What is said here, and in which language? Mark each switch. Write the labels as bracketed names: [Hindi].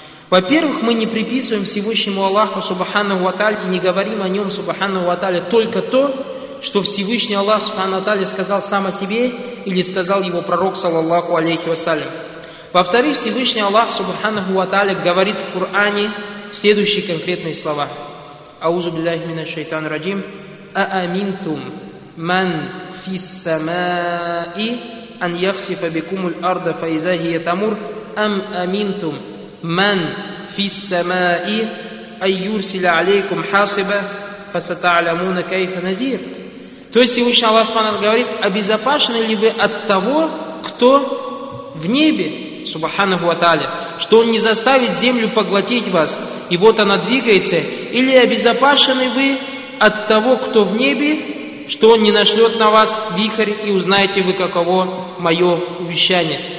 [Russian] Во-первых, мы не приписываем Всевышнему Аллаху, Субханаху ва тааля, и не говорим о нем, Субханаху ва тааля, только то, что Всевышний Аллах, Субханаху ва тааля, сказал сам о себе или сказал его пророк, саллаллаху алейхи ва саллям. Во-вторых, Всевышний Аллах, Субханаху ва тааля, говорит в Коране следующие конкретные слова. [Arabic] أعوذ بالله من الشيطان الرجيم أأمنتم من في السماء أن يخسف بكم الأرض فإذا هي تمر أم أمنتم من في السماء أن يرسل عليكم حاصبا فستعلمون كيف نذير. [Russian] То есть Всевышний Аллах Субхана говорит: обезопасны ли вы от того, кто в небе, Субханаху ва тааля, что он не заставит землю поглотить вас, и вот она двигается, или обезопасены вы от того, кто в небе, что он не нашлет на вас вихрь, и узнаете вы, каково мое увещание.